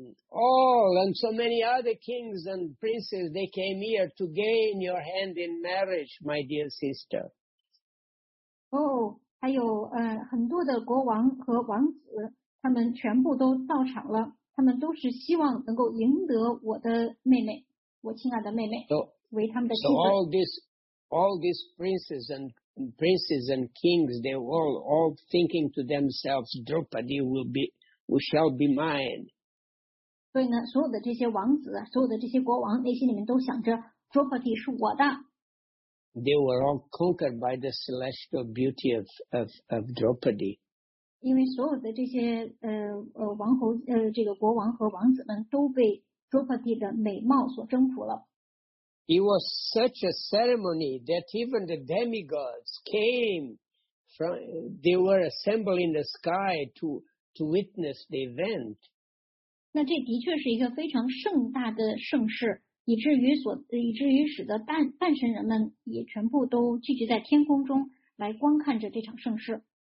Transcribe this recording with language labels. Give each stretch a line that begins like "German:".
English: All and so many other kings and princes, they came here to gain your hand in marriage, my dear sister.
Chinese: Oh, 还有很多的国王和王子，他们全部都到场了，他们都是希望能够赢得我的妹妹，我亲爱的妹妹，为他们的妻子。
English: So all these princes and kings, they were all thinking to themselves, Draupadi shall be mine.
Chinese: 所以呢，所有的这些王子，所有的这些国王，内心里面都想着 ，Draupadi 是我的。
English: They were all conquered by the celestial beauty of Draupadi.
Chinese: 因为所有的这些王侯这个国王和王子们都被 Draupadi 的美貌所征服了。
English: It was such a ceremony that even the demigods came from. They were assembled in the sky to witness the event.
Chinese: 那这的确是一个非常盛大的盛事，以至于使得半神人们也全部都聚集在天空中来观看着这场盛事。